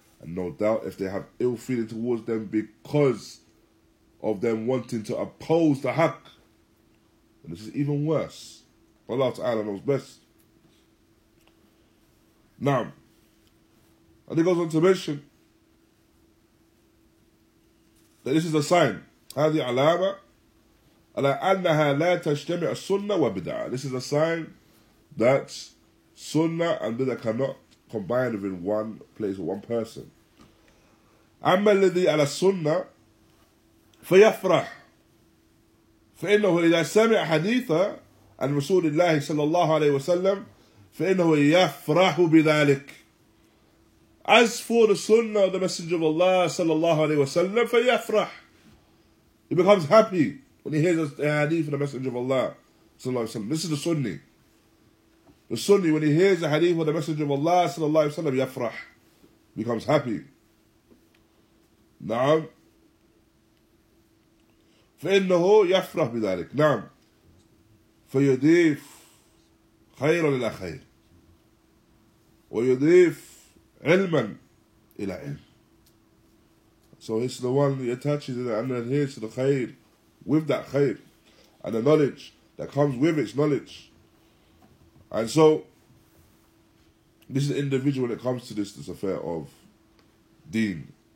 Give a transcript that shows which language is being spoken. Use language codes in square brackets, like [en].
[en] And no doubt if they have ill feeling towards them because of them wanting to oppose the haqq, then this is even worse. Allah Ta'ala knows best. Now, and he goes on to mention that this is a sign. [ar] هذه علامة على أنها لا تجتمع سنة وبدعة. [en] This is a sign that sunnah and bid'ah cannot combine within one place or one person. [ar] أما الذي على السنة فيفرح فإنه إذا سمع حديثا عن رسول الله صلى الله عليه وسلم فإنه يفرح بذلك. [en] As for the sunnah of the Messenger of Allah صلى الله عليه وسلم فيفرح, he becomes happy when he hears the hadith of the Messenger of Allah صلى الله عليه وسلم. This is the Sunni. The Sunni, when he hears the hadith of the Messenger of Allah صلى الله عليه وسلم, يفرح, becomes happy. [ar] نعم فإنه يفرح بذلك. نعم فيضيف خيرا إلى خير ويضيف علما إلى علم. [en] So it's the one that attaches and adheres to the khair with that khair and the knowledge that comes with its knowledge. And so this is the individual when it comes to this affair of deen.